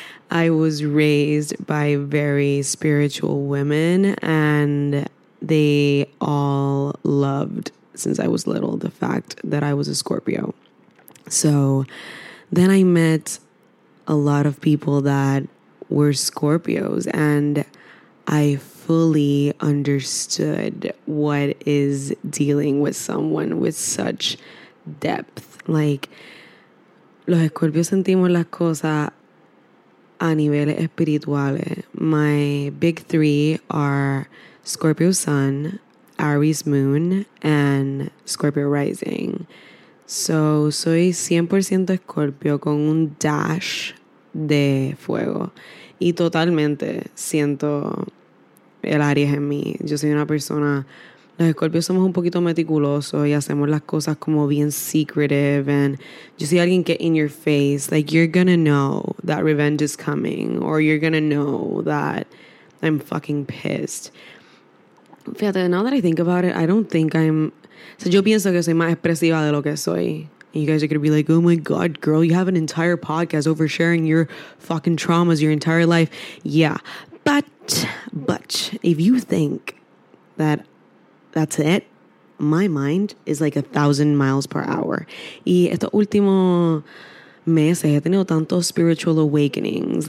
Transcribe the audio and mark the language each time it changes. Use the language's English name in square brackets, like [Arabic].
[English] I was raised by very spiritual women, and they all loved, since I was little, the fact that I was a Scorpio. So then I met a lot of people that were Scorpios, and I fully understood what is dealing with someone with such depth. [Spanish] Like, los Scorpios sentimos las cosas a niveles espirituales. [English] My big three are Scorpio Sun, Aries Moon, and Scorpio Rising. [Spanish] So, soy 100% Scorpio con un dash de fuego. Y totalmente siento el Aries en mí. Yo soy una persona... Los Scorpios somos un poquito meticulosos y hacemos las cosas como bien secretive. [English] And [Spanish] yo soy alguien que [English] in your face, like, you're gonna know that revenge is coming. Or you're gonna know that I'm fucking pissed. Fíjate, now that I think about it, I don't think I'm... [Spanish] So yo pienso que soy más expresiva de lo que soy. [English] And you guys are going to be like, oh my God, girl, you have an entire podcast over sharing your fucking traumas your entire life. Yeah, but if you think that that's it, my mind is like 1,000 miles per hour. [Spanish] Y estos últimos meses he tenido tantos [English] spiritual awakenings.